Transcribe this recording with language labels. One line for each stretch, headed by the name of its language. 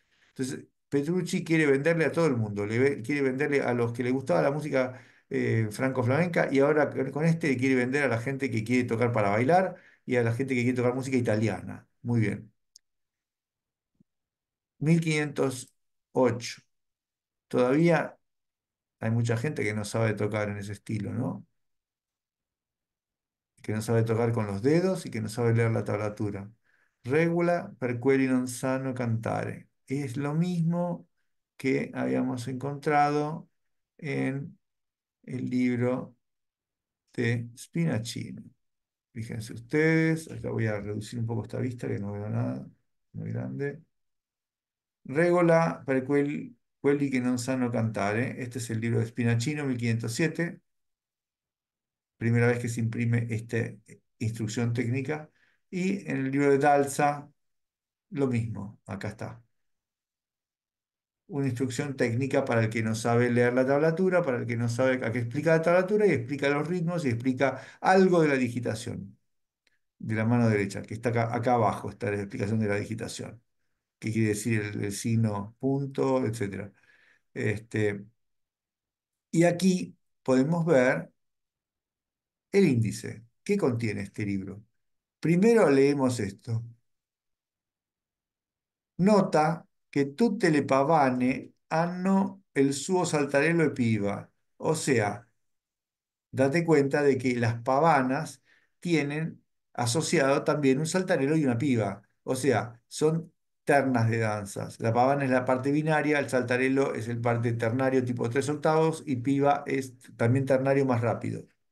Spanish: Entonces, Petrucci quiere venderle a todo el mundo, quiere venderle a los que le gustaba la música franco-flamenca y ahora con este quiere vender a la gente que quiere tocar para bailar y a la gente que quiere tocar música italiana. Muy bien. 1508. Todavía hay mucha gente que no sabe tocar en ese estilo, ¿no? Que no sabe tocar con los dedos y que no sabe leer la tablatura.
Italian: Regula perqueri non sanno cantare.
Spanish: Es lo mismo que habíamos encontrado en el libro de Spinaccini. Fíjense ustedes, acá voy a reducir un poco esta vista que no veo nada, muy grande.
Italian: Regola per quelli che non sanno cantare.
Spanish: Este es el libro de Spinaccino, 1507. Primera vez que se imprime esta instrucción técnica. Y en el libro de Dalza, lo mismo. Acá está. Una instrucción técnica para el que no sabe leer la tablatura, para el que no sabe a qué explica la tablatura y explica los ritmos y explica algo de la digitación de la mano derecha, que está acá abajo, está la explicación de la digitación. Qué quiere decir el signo punto, etcétera. Y aquí podemos ver el índice. ¿Qué contiene este libro? Primero leemos esto.
Italian: Nota que tutte le pavane hanno el suo saltarello e piva.
Spanish: O sea, date cuenta de que las pavanas tienen asociado también un saltarello y una piva. O sea, son ternas de danzas. La pavana es la parte binaria, el saltarello es el parte ternario tipo 3 octavos y piva es también ternario más rápido.